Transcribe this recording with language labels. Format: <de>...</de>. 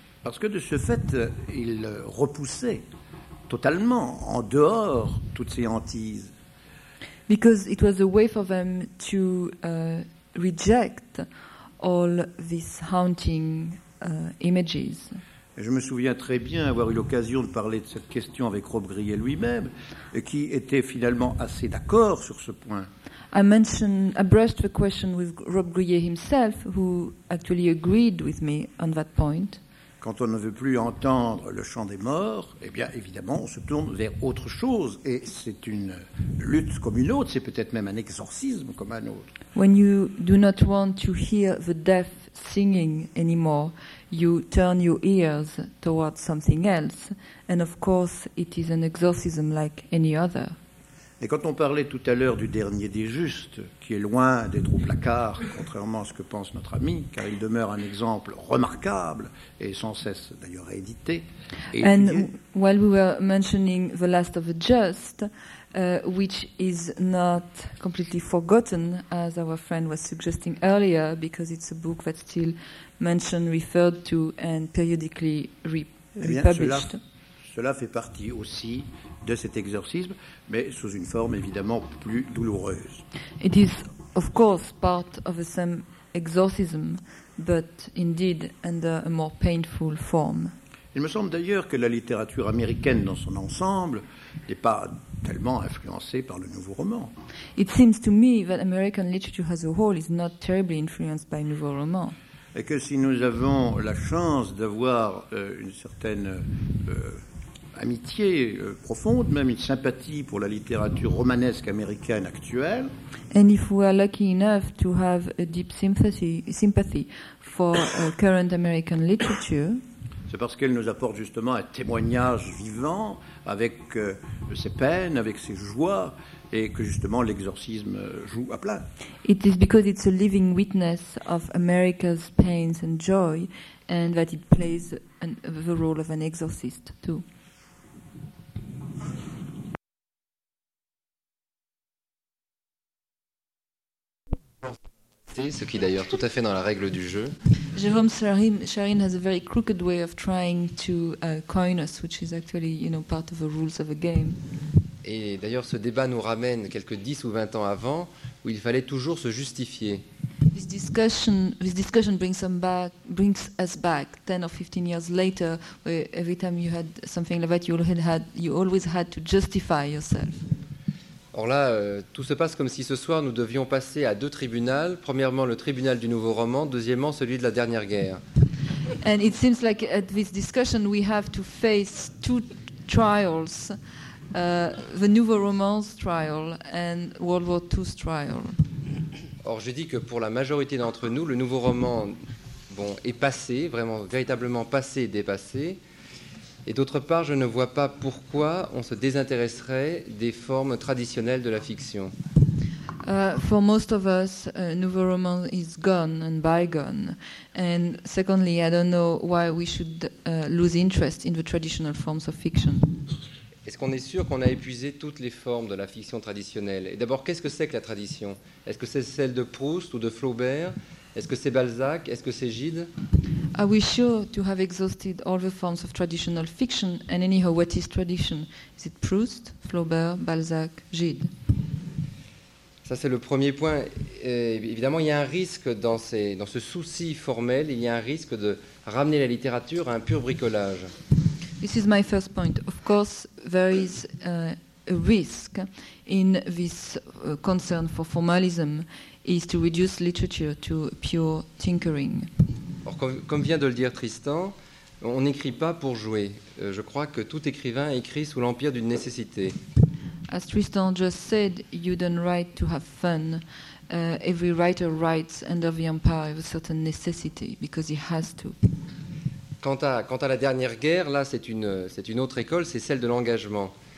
<fr>Parce que de ce fait, il repoussait totalement en dehors toutes ces hantises.</fr> <en>Because it was a way for them to reject all these haunting images.</en> <fr>Je me souviens très bien avoir eu l'occasion de parler de cette question avec Robbe-Grillet lui-même, qui était finalement assez d'accord sur ce point.</fr> <en>I brushed the question with Robbe-Grillet himself, who actually agreed with me on that point.</en> <fr>Quand on ne veut plus entendre le chant des morts, eh bien évidemment, on se tourne vers autre chose, et c'est une lutte comme une autre, c'est peut-être même un exorcisme comme un autre.</fr> <en>When you do not want to hear the deaf singing anymore, you turn your ears towards something else, and of course it is an exorcism like any other.</en> <fr>Et quand on parlait tout à l'heure du dernier des justes, qui est loin d'être au placard, contrairement à ce que pense notre ami, car il demeure un exemple remarquable et sans cesse d'ailleurs réédité.</fr> <en>And while we were mentioning The Last of the Just, which is not completely forgotten, as our friend was suggesting earlier, because it's a book that's still mentioned, referred to, and periodically republished.</en> <fr>Cela fait partie aussi de cet exorcisme, mais sous une forme évidemment plus douloureuse.</fr> <en>It is, of course, part of the same exorcism, but indeed under a more painful form.</en> <fr>Il me semble d'ailleurs que la littérature américaine dans son ensemble n'est pas tellement influencée par le nouveau roman.</fr> <en>It seems to me that American literature as a whole is not terribly influenced by nouveau roman.</en> <fr>Et que si nous avons la chance d'avoir une certaine amitié profonde, même une sympathie pour la littérature romanesque américaine actuelle.</fr> <en>And if we are lucky enough to have a deep sympathy for current American literature,</en> <fr>c'est parce qu'elle nous apporte justement un témoignage vivant avec ses peines, avec ses joies, et que justement l'exorcisme joue à plein.</fr> <en>It is because it's a living witness of America's pains and joy, and that it plays the role of an exorcist too.</en> <fr>Ce qui est d'ailleurs tout à fait dans la règle du jeu.</fr> <en>Jerome Charyn has a very crooked way of trying to coin us, which is actually, you know, part of the rules of a game.</en> <fr>Et d'ailleurs, ce débat nous ramène quelques 10 ou 20 ans avant, où il fallait toujours se justifier.</fr> <en>This discussion brings us back 10 or 15 years later, where every time you had something like that, you always had to justify yourself.</en> <fr>Or là, tout se passe comme si ce soir nous devions passer à deux tribunaux. Premièrement, le tribunal du nouveau roman. Deuxièmement, celui de la dernière guerre.</fr> <en>And it seems like at this discussion we have to face two trials: the nouveau roman's trial and World War II's trial.</en> <fr>Or, je dis que pour la majorité d'entre nous, le nouveau roman, bon, est passé, vraiment, véritablement passé, dépassé. Et d'autre part, je ne vois pas pourquoi on se désintéresserait des formes traditionnelles de la fiction.</fr> <en>For most of us, nouveau roman is gone and bygone. And secondly, I don't know why we should lose interest in the traditional forms of fiction.</en> <fr>Est-ce qu'on est sûr qu'on a épuisé toutes les formes de la fiction traditionnelle? Et d'abord, qu'est-ce que c'est que la tradition? Est-ce que c'est celle de Proust ou de Flaubert? Est-ce que c'est Balzac? Est-ce que c'est Gide?</fr> <en>Are we sure to have exhausted all the forms of traditional fiction? And anyhow, what is tradition? Is it Proust, Flaubert, Balzac, Gide?</en> <fr>Ça, c'est le premier point. Évidemment, il y a un risque dans ce souci formel, il y a un risque de ramener la littérature à un pur bricolage.</fr> <en>This is my first point. Of course, there is a risk in this concern for formalism is to reduce literature to pure tinkering.</en> <fr>Alors, comme vient de le dire Tristan, on n'écrit pas pour jouer. Je crois que tout écrivain écrit sous l'empire d'une nécessité.</fr> <en>As Tristan just said, you don't write to have fun. Every writer writes under the empire of a certain necessity, because he has to.</en> <fr>Quant à la dernière guerre, là, c'est une autre école, c'est celle de l'engagement.</fr>